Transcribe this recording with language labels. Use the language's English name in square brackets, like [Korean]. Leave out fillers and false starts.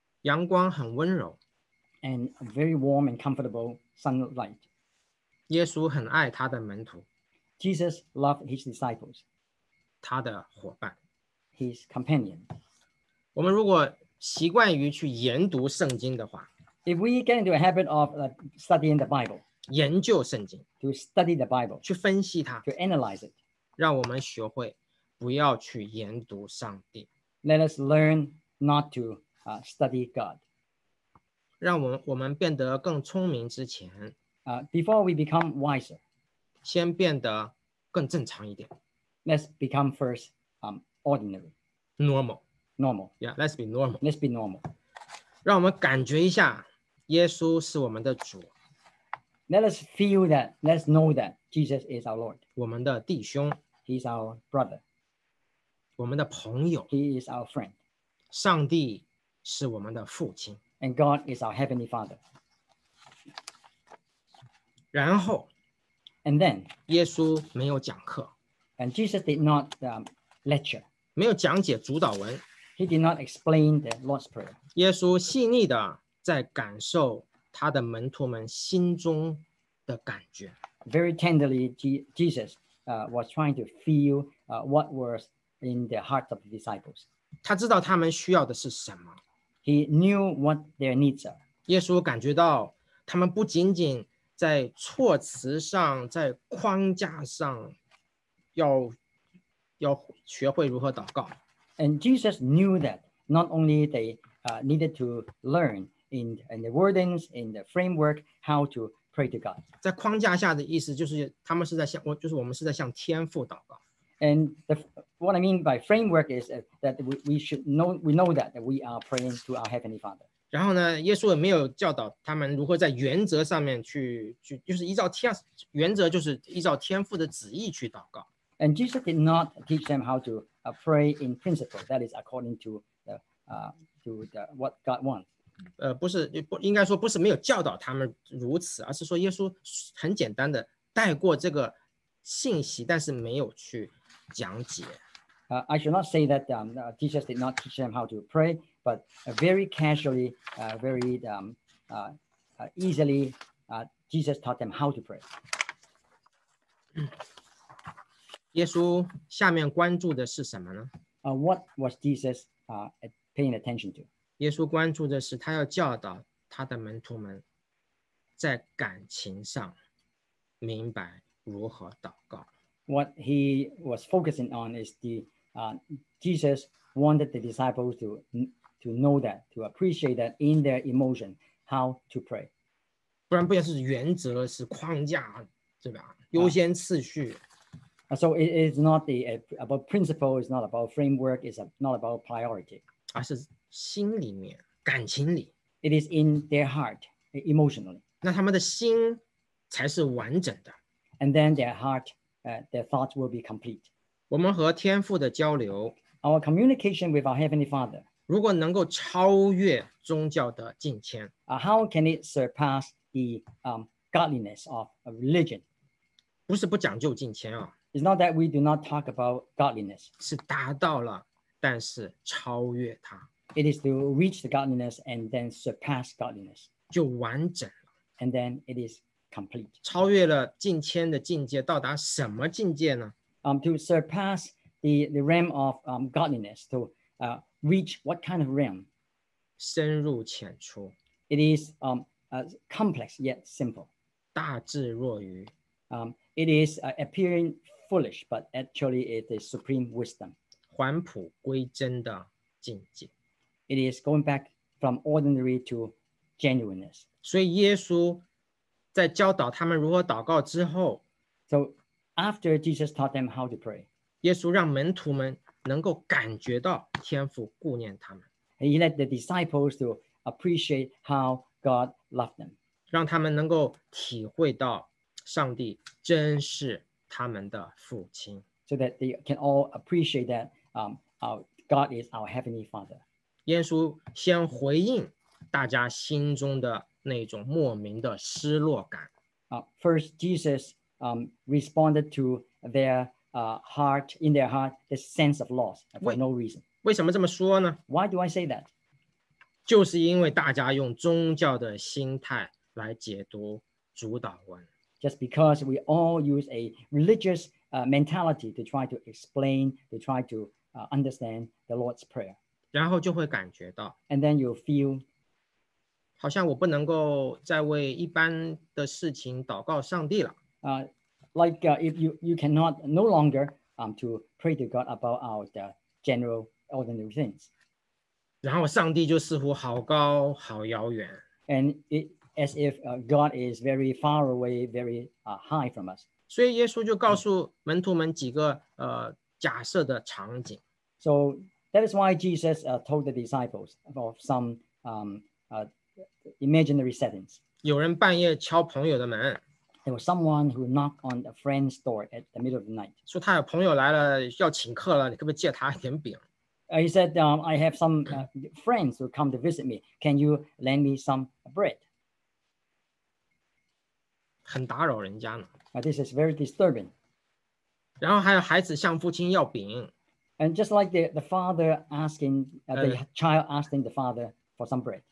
[Chinese] 阳光很温柔。 [English] And very warm and comfortable sunlight. [Chinese] 耶稣很爱他的门徒。 [English] Jesus loved his disciples. [Chinese] 他的伙伴。 [English] His companion. [Chinese] 我们如果习惯于去研读圣经的话。 [English] If we get into a habit of studying the Bible. [Chinese] 研究圣经。 [English] To study the Bible. [Chinese] 去分析它。 [English] To analyze it. [Chinese] 让我们学会不要去研读上帝。 [English] Let us learn not to study God. [Chinese] 让我们变得更聪明之前 [English] before we become wiser, [Chinese] 先变得更正常一点。 [English] Let's become first ordinary. Normal. Normal. Yeah, let's be normal. Let's be normal. [Chinese] 让我们感觉一下耶稣是我们的主。 [English] Let us feel that, let's know that Jesus is our Lord. [Chinese] 我们的弟兄。 [English] He's our brother. [Chinese] 我们的朋友。 [English] He is our friend. [Chinese] 上帝是我们的父亲。 [English] And God is our Heavenly Father. [Chinese] 然后 [English] And then, [Chinese] 耶稣没有讲课。 [English] And Jesus did not lecture. [Chinese] 没有讲解主导文。 [English] He did not explain the Lord's Prayer. [Chinese] 耶稣细腻地在感受他的门徒们心中的感觉。 [English] Very tenderly, Jesus was trying to feel what was in the hearts of the disciples. [Chinese] 他知道他们需要的是什么。 [English] He knew what their needs are. [Chinese] 耶稣感觉到他们不仅仅在措辞上，在框架上要学会如何祷告。 [English] And Jesus knew that not only they needed to learn in the wordings, in the framework, how to pray to God. [Chinese] 在框架下的意思就是他们是在向，就是我们是在向天父祷告。 [English] And what I mean by framework is that we know that we are praying to our Heavenly Father. [Chinese] 然后呢，耶稣也没有教导他们如何在原则上面去，就是依照天原则，就是依照天父的旨意去祷告。 [English] And Jesus did not teach them how to pray in principle. That is according to the what God wants. [Chinese] 不是不应该说不是没有教导他们如此，而是说耶稣很简单的带过这个。信息，但是没有去讲解。 [English] I should not say that Jesus did not teach them how to pray, but very casually, easily, Jesus taught them how to pray. [Chinese] 耶稣下面关注的是什么呢？ [English] What was Jesus paying attention to? [Chinese] 耶稣关注的是他要教导他的门徒们在感情上明白。如何祷告? [English] What he was focusing on is the Jesus wanted the disciples to know that, to appreciate that in their emotion, how to pray. [Chinese] 不然不仅是原则，是框架，对吧？优先次序。 [English] So it is not the about principle. It's not about framework. It's not about priority. [Chinese] 而是心里面，感情里。 [English] It is in their heart, emotionally. [Chinese] 那他们的心才是完整的。 [English] And then their heart, their thoughts will be complete. [Chinese] 我们和天父的交流。 [English] Our communication with our Heavenly Father. [Chinese] 如果能够超越宗教的敬虔。 [English] How can it surpass the godliness of a religion? [Chinese] 不是不讲究敬虔啊。 [English] It's not that we do not talk about godliness. [Chinese] 是达到了，但是超越它。 [English] It is to reach the godliness and then surpass godliness. [Chinese] 就完整了。 [English] And then it is complete. [Chinese] 超越了敬虔的境界，到达什么境界呢？ [English] To surpass the realm of godliness, to reach what kind of realm? [Chinese] 深入浅出。 [English] It is complex yet simple. [Chinese] 大智若愚。 [English] It is appearing foolish, but actually it is supreme wisdom. [Chinese] 返璞归真的境界。 [English] It is going back from ordinary to genuineness. [Chinese] 所以耶稣在教导他们如何祷告之后， [English] So after Jesus taught them how to pray, [Chinese] 耶稣让门徒们能够感觉到天父顾念他们。 [English] He led the disciples to appreciate how God loved them. [Chinese] 让他们能够体会到上帝真是他们的父亲。 [English] So that they can all appreciate that God is our Heavenly Father. [Chinese] 耶稣先回应大家心中的那种莫名的失落感。 [English] First, Jesus responded to their heart, in their heart, the sense of loss for no reason. [Chinese] 为什么这么说呢？ [English] Why do I say that? [Chinese] 就是因为大家用宗教的心态来解读主导文。 [English] Just because we all use a religious mentality to try to explain, to try to understand the Lord's Prayer. [Chinese] 然后就会感觉到。 [English] And then you'll feel. [Chinese] 好像我不能够再为一般的事情祷告上帝了。 [English] If you cannot no longer to pray to God about our general ordinary things. [Chinese] 然后上帝就似乎好高好遥远。 [English] And it,as if God is very far away, very high from us. [Chinese] 所以耶稣就告诉门徒们几个假设的场景。 [English] So that is why Jesus told the disciples of some imaginary settings. [Chinese] 有人半夜敲朋友的门。 [English] There was someone who knocked on a friend's door at the middle of the night. [Chinese] 说他有朋友来了，要请客了，你可不可以借他一点饼？ [English] He said, I have some friends who come to visit me. Can you lend me some bread? [Chinese] 很打扰人家呢。 [English] This is very disturbing. [Chinese] 然后还有孩子向父亲要饼。 [English] And just like the father asking, the child asking the father for some bread.